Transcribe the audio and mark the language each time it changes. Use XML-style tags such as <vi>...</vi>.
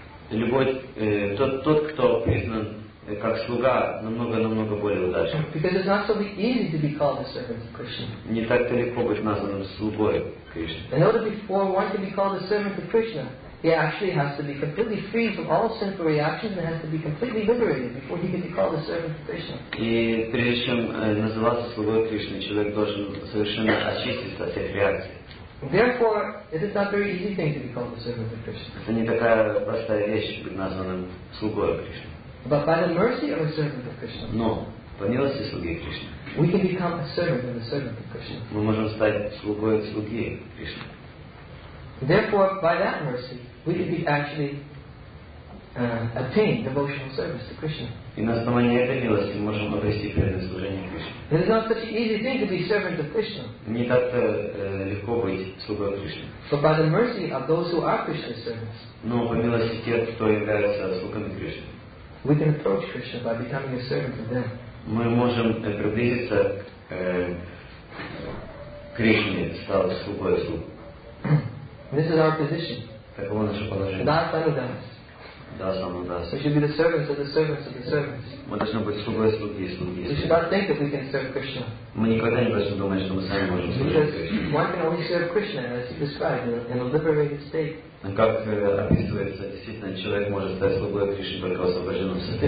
<ru>Любой тот, кто признан как слуга, намного более удачен.</ru> <en>Because it's not so easy to be called a servant of Krishna.</en> <ru>Не так-то легко быть названным слугой Кришны.</ru> <en>In order for one to be called a servant of Krishna, he actually has to be completely free from all sinful reactions and has to be completely liberated before he can be called a servant of Krishna.</en> <ru>И прежде чем называться слугой Кришны, человек должен совершенно очиститься от всех реакций.</ru> <en>Therefore, it is not a very easy thing to be called a servant of Krishna.</en> <ru>Это не такая простая вещь быть названным слугой Кришны.</ru> <en>But by the mercy of a servant of Krishna.</en> <ru>Но по милости слуги Кришны.</ru> <en>We can become a servant of the servant of Krishna.</en> <ru>Мы можем стать слугой слуги Кришны.</ru> <en>Therefore, by that mercy, we could actually attain devotional service to Krishna. And it's not such an easy thing to be servant of Krishna. So by the mercy of those who are Krishna's servants, we can approach Krishna by becoming a servant of them.</en> <ru>Мы можем приблизиться к Кришне, став слугой слуг.</ru> <en>This is our position.</en> <ru>Таково наше положение.</ru> <sa>Das Anudas. Das Anudas.</sa> <en>We should be the servants of the servants of the servants.</en> <ru>Мы должны быть слугой слуги и слуги.</ru> <en>We should not think that we can serve Krishna.</en> <ru>Мы никогда не должны думать, что мы сами можем служить Кришне.</ru> <en>Because one can only serve Krishna, as you described, in a liberated state.</en> <ru>Как описывается, действительно, человек может стать слугой Кришны только в освобожденном</ru>